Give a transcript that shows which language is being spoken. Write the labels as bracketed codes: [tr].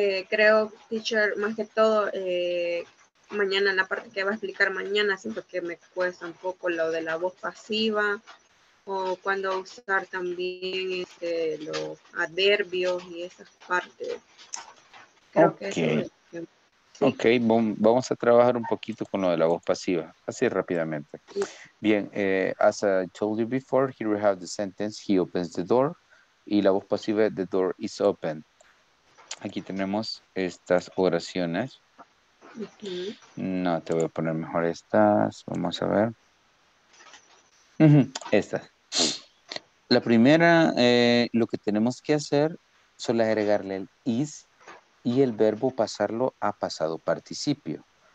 [es] Creo, teacher, más que todo, mañana, la parte que va a explicar mañana, siento que me cuesta un poco lo de la voz pasiva. O cuando usar también los adverbios y esas partes. Creo que sí. Ok, vamos a trabajar un poquito con lo de la voz pasiva, así rápidamente. Sí. [en] Bien, as I told you before, here we have the sentence, he opens the door, [es] y la voz pasiva, [en] the door is open. [es] Aquí tenemos estas oraciones. Uh-huh. No, te voy a poner mejor estas, vamos a ver. Uh-huh. Estas. La primera, lo que tenemos que hacer solo agregarle el is y el verbo pasarlo a pasado participio.